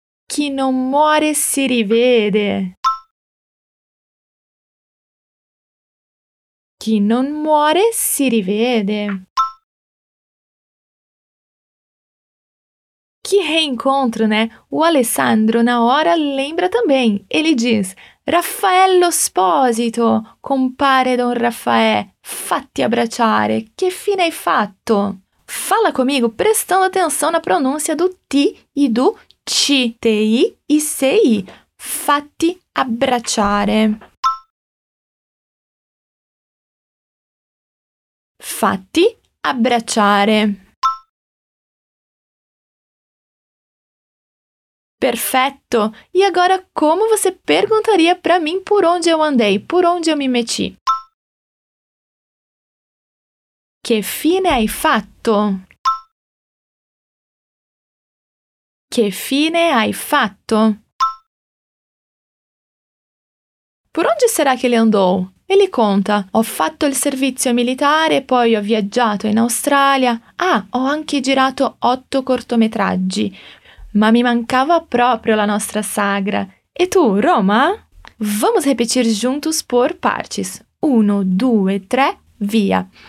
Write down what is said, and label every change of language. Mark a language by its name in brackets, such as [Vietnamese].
[Italian] Chi non muore si rivede. Chi non muore si rivede. Chi reincontro, [Portuguese] né? O Alessandro, na hora, lembra também. Ele diz: [Italian] Raffaello Sposito, compare Don Raffaè, fatti abbracciare, che fine hai fatto? [Portuguese] Fala comigo prestando atenção na pronúncia do ti e do ci, ti e sei, [Italian] fatti abbracciare. Fatti abbracciare. Perfetto! [Portuguese] E agora como você perguntaria para mim por onde eu andei, por onde eu me meti? [Italian] Che fine hai fatto? Che fine hai fatto? [Portuguese] Por onde será que ele andou? Ele conta, [Italian] ho fatto il servizio militare, poi ho viaggiato in Australia. Ah, ho anche girato 8 cortometraggi. Ma mi mancava proprio la nostra sagra. E tu, Roma? [Portuguese] Vamos repetir juntos por partes. 1, 2, 3, via.